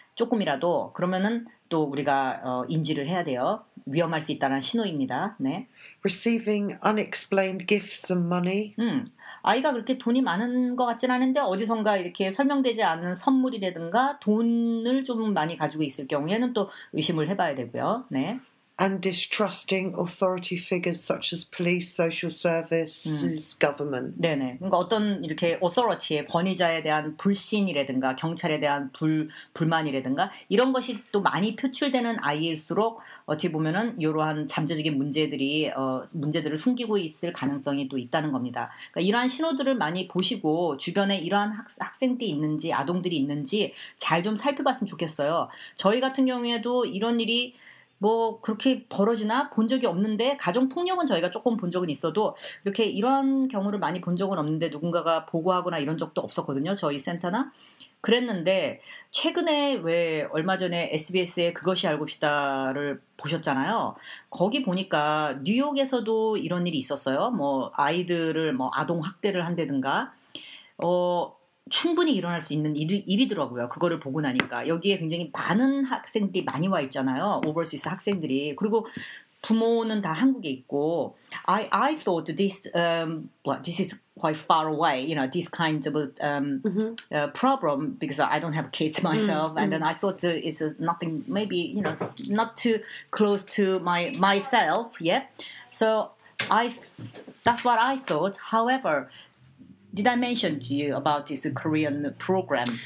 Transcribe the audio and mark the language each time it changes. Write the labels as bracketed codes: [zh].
[ko] 조금이라도 그러면은 또 우리가 인지를 해야 돼요. 위험할 수 있다는 신호입니다. 네. [en] Receiving unexplained gifts and money. [ko] 아이가 그렇게 돈이 많은 것 같지는 않은데 어디선가 이렇게 설명되지 않은 선물이라든가 돈을 좀 많이 가지고 있을 경우에는 또 의심을 해봐야 되고요. 네. [en] And distrusting authority figures such as police, social services, government. [ko] 네네. 그러니까 어떤 이렇게 authority의 권위자에 대한 불신이라든가 경찰에 대한 불만이라든가 이런 것이 또 많이 표출되는 아이일수록 어찌 보면은 이러한 잠재적인 문제들이 문제들을 숨기고 있을 가능성이 또 있다는 겁니다. 그러니까 이러한 신호들을 많이 보시고 주변에 이러한 학생들이 있는지 아동들이 있는지 잘 좀 살펴봤으면 좋겠어요. 저희 같은 경우에도 이런 일이 뭐 그렇게 벌어지나 본 적이 없는데 가정폭력은 저희가 조금 본 적은 있어도 이렇게 이런 경우를 많이 본 적은 없는데 누군가가 보고하거나 이런 적도 없었거든요. 저희 센터나 그랬는데 최근에 왜 얼마 전에 SBS의 그것이 알고시다를 보셨잖아요. 거기 보니까 뉴욕에서도 이런 일이 있었어요. 뭐 아이들을 뭐 아동 학대를 한다든가 충분히 일어날 수 있는 일이더라고요. 그거를 보고 나니까. 여기에 굉장히 많은 학생들이 많이 와 있잖아요. 오버시스 학생들이. 그리고 부모는 다 한국에 있고. [en] I thought this, well, this is quite far away, you know, this kind of problem because I don't have kids myself. And then I thought it's nothing, maybe, you know, not too close to myself. Yeah. So that's what I thought. However, did I mention to you about this Korean program?